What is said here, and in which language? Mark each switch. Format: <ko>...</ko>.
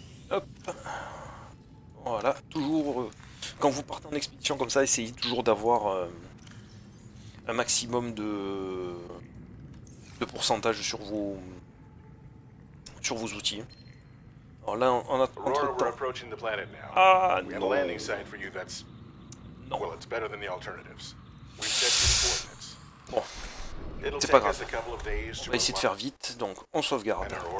<fr>Hop. Voilà. Toujours, quand vous partez en expédition comme ça, essayez toujours d'avoir un maximum de pourcentage sur vos outils. Alors là, on a</fr> <en>approaching the planet now. Ah, we have a landing site for you that's</en> <fr>non.</fr> <en>Well, it's better than the alternatives. We set the coordinates.</en> <fr>Bon. C'est pas grave. On va essayer de faire vite, donc on sauvegarde.</fr>